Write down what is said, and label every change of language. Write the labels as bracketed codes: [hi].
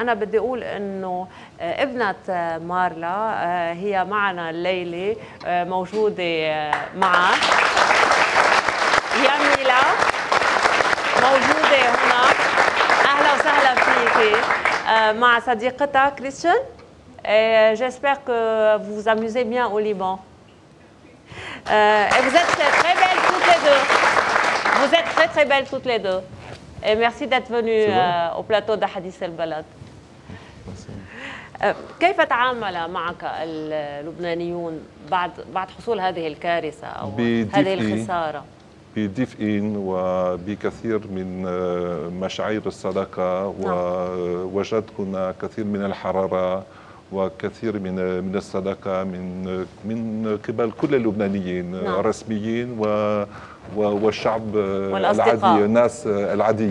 [ar] أنا بدي أقول أنه ابنة مارلا هي معنا الليلة موجودة معك. يا ميلا موجودة هنا، أهلا وسهلا فيك مع صديقتك كريستيان. [fr] جيسبر كو فوز أميوزي بيان أو ليبان. Et vous êtes très belles toutes les deux. Vous êtes très très belles toutes les deux. Et merci d'être venues au plateau de Hadith El Balad. [ar] كيف تعامل معك اللبنانيون بعد حصول هذه الكارثة أو هذه الخسارة؟ بدفء وبكثير من مشاعر الصدقة ووجد هنا كثير من الحرارة وكثير من الصدقة من قبل كل اللبنانيين الرسميين والشعب العادي الناس العاديين